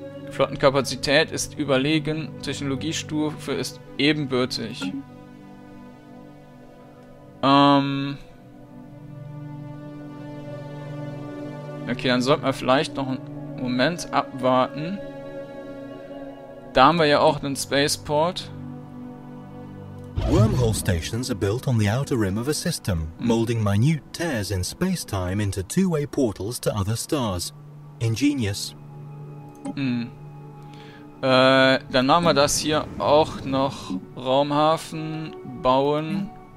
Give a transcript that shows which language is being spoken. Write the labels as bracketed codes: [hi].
[de] Flottenkapazität ist überlegen. Technologiestufe ist ebenbürtig. Okay, dann sollten wir vielleicht noch einen Moment abwarten. Da haben wir ja auch einen Spaceport. [en] Wormhole stations are built on the outer rim of a system, molding minute tears in space-time into two-way portals to other stars. Ingenious. [de] Dann machen wir das hier auch noch. Raumhafen bauen.